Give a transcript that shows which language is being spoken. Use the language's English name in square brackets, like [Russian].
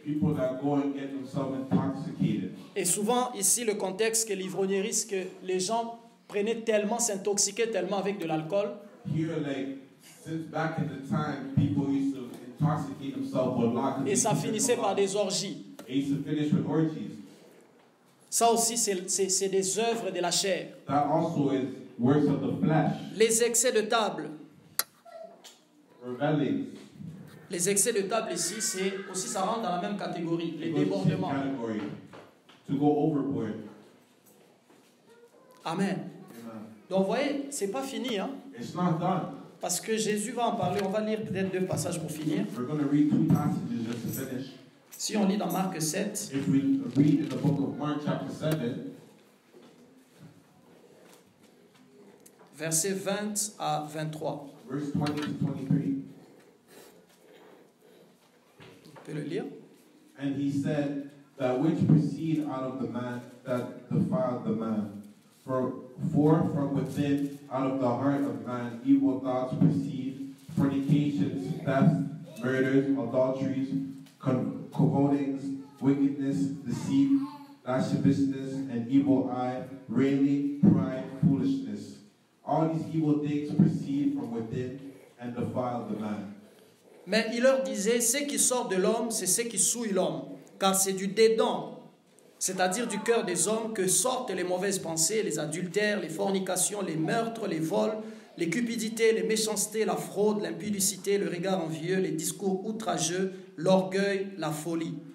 [English] People that go and get themselves intoxicated. [French] Et souvent ici le contexte que l'ivrognerie, c'est que les gens prenaient tellement, s'intoxiquaient tellement avec de l'alcool. [English] Here, like, since back in the time, people used to intoxicate themselves with lots of [French] et ça finissait par des orgies. [English] And he used to finish with orgies. [French] Ça aussi, c'est des œuvres de la chair. [English] That also is works of the flesh. [French] Les excès de table. [English] Rebelling. [French] Les excès de table ici, c'est aussi, ça rentre dans la même catégorie, les débordements. [English] Category, to go overboard. Amen. Amen. [French] Donc vous voyez, c'est pas fini, hein? [English] It's not done. [French] Parce que Jésus va en parler, on va lire peut-être deux passages pour finir. [English] We're going to read two passages just to finish. [French] Si on lit dans Marc 7, [English] if we read in the book of Mark chapter 7, [French] versets 20 à 23. [English] Verse 20 to 23. [French] On peut le lire. [English] And he said, that which proceed out of the man, that defile the man. For For from within, out of the heart of man, evil thoughts proceed, fornications, thefts, murders, adulteries, covetings, wickedness, deceit, lasciviousness, an evil eye, railing, pride, foolishness. All these evil things proceed from within and defile the man. [French] Mais il leur disait, ce qui sort de l'homme, c'est ce qui souille l'homme, car c'est du dedans, c'est-à-dire du cœur des hommes, que sortent les mauvaises pensées, les adultères, les fornications, les meurtres, les vols, les cupidités, les méchancetés, la fraude, l'impudicité, le regard envieux, les discours outrageux, l'orgueil, la folie.